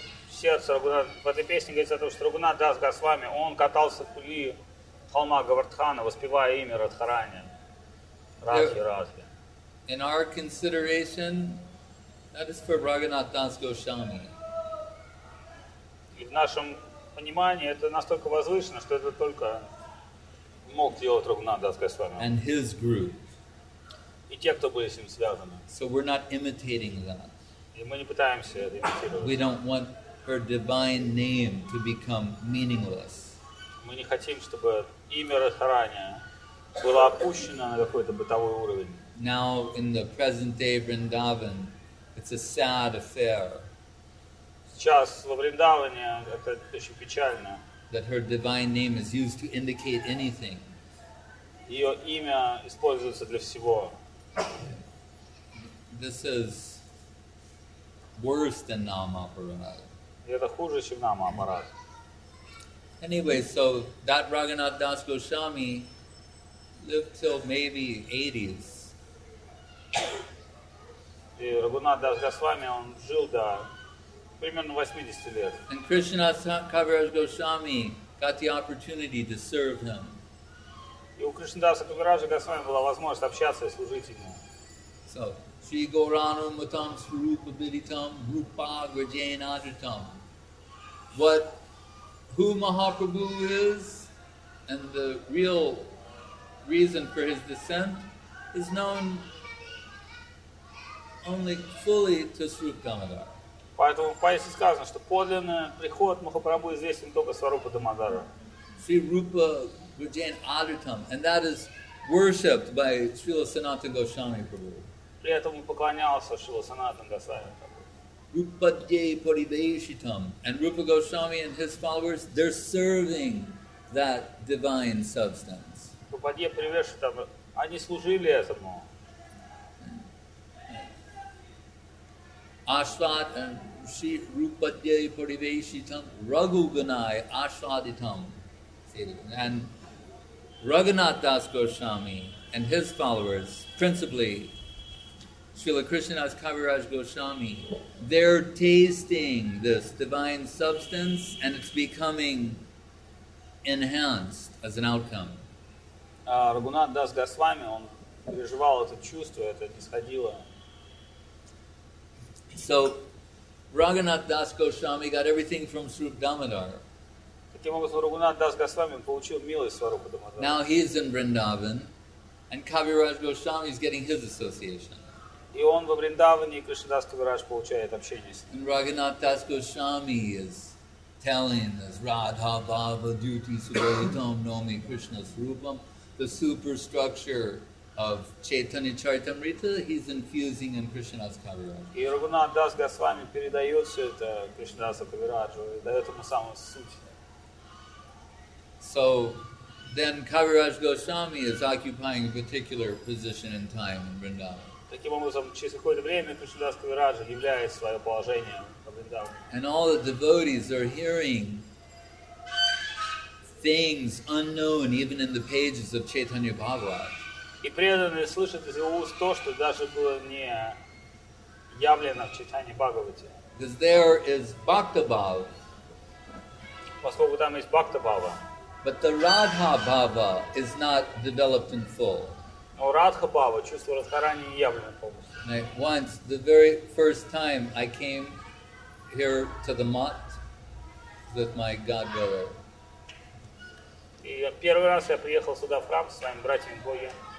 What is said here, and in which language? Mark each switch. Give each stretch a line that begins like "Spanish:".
Russian: Сердце Рагунатха, в этой песне говорится о том, что Рагунатх Дас Госвами, он катался в пули холма Говардхана, воспевая имя Радхарани. Радхи, Радхи.
English: In our consideration, that is for Raghunath Das Goswami.
Russian: И в нашем понимании это настолько возвышено, что это только мог делать Рагунатх Дас Госвами.
English: And his group.
Russian: И те, кто были с ним связаны.
English: So we're not imitating that.
Russian: И мы не пытаемся это имитировать.
English: We don't want her divine name to become meaningless.
Russian: Мы не хотим, чтобы имя Радхарани было опущено на какой-то бытовой уровень.
English: Now in the present day Vrindavan, it's a sad affair.
Russian: Сейчас во Вриндаване это очень печально.
English: That her divine name is used to indicate anything.
Russian: Ее имя используется для всего.
English: This is worse than Namaparanada.
Russian: Это хуже, чем нам, аппарат.
English: Anyway, so that Raghunath Das Goswami lived till maybe 80s.
Russian: И Рагунат Дас Госвами, он жил до примерно 80 лет.
English: And Krishnadas Kaviraj Goswami got the opportunity to serve him.
Russian: И у Кришнадаса Кавираджа Госвами была возможность общаться и служить ему.
Sanskrit: So, Sri Gaurana Mutam Swarupa Biditam Rupa Grajain Adritam.
English: What, who Mahaprabhu is, and the real reason for his descent is known only fully to Сваруп Дамодар.
Russian: Поэтому в поэзии сказано, что подлинный приход Махапрабху известен только Сварупа Дамодара.
Sanskrit: Sri Rupa Vijayan Adritam,
English: and that is worshipped by Srila Sanatana Goswami Prabhu.
Russian: При этом он поклонялся Srila Sanatana Goswami.
Sanskrit: Rupadye Paribeshitam.
English: And Rupa Goswami and his followers, they're serving that divine substance.
Sanskrit: Rupadye Paribeshitam,
Russian: они служили этому.
Sanskrit: Ashvat and Shri Rupadye Paribeshitam, Raghuganai Ashvaditam.
English: And Raghunath Das Goswami and his followers, principally Srila Krishnadas Kaviraj Goswami, they're tasting this divine substance and it's becoming enhanced as an outcome.
Russian: Рагунат Дас Госвами, он переживал это чувство, это нисходило.
English: So, Raghunath Das Goswami got everything from Srup Damodara.
Russian: Таким образом, Рагунат Дас Госвами получил милость Сварупа Дамодара.
English: Now he's in Vrindavan, and Kaviraj Goswami is getting his association.
Russian: И он во Вриндаване, и Кришнадас Кавирадж получает общение с ним.
English: And Raghunath Das Goswami is telling us
Sanskrit: Radha Bhava Duty Subhavitam Nomi Krishna Srupam,
English: the superstructure of Chaitanya Charitamrita, he's infusing in Krishnadas Kaviraj.
Russian: И Рагунат Дас Госвами передает все это Кришнадасу Кавираджу, и дает ему самую суть.
English: So then Kaviraj Goswami is occupying a particular position in time in Vrindavan.
Russian: Таким образом, через какое-то время Кришнадас Кавирадж являет свое положение в Вриндаване.
English: And all the devotees are hearing things unknown even in the pages of Chaitanya Bhagavat.
Russian: И преданные слышат из его уст то, что даже было не явлено в Чайтанье Бхагавате.
English: Because there is Bhakta Bhava.
Russian: Поскольку там есть Bhakta Bhava.
English: But the Radha Bhava is not developed in full.
Russian: Но Радха Бхава, чувство Радхарани, не явлено полностью.
English: Now, once, the very first time I came here to the mat with my godbrother.
Russian: И первый раз я приехал сюда в храм со своим братьем Боги.